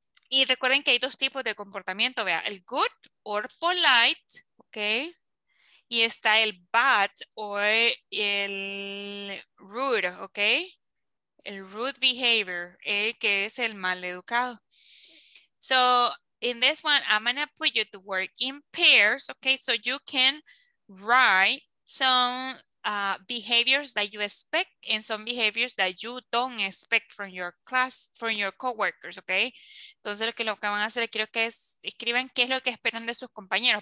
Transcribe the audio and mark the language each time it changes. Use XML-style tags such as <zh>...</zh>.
<es>Y recuerden que hay dos tipos de comportamiento, vea, el</es> <en>good or polite,</en> <es>¿ok? Y está el bad o el rude, ¿ok? El rude behavior, que es el mal educado.</es> <en>So, in this one, I'm going to put you to work in pairs, ¿ok? So you can write some behaviors that you expect and some behaviors that you don't expect from your class, from your coworkers, okay?</en> <es>Entonces lo que van a hacer, quiero que es, escriban qué es lo que esperan de sus compañeros.</es>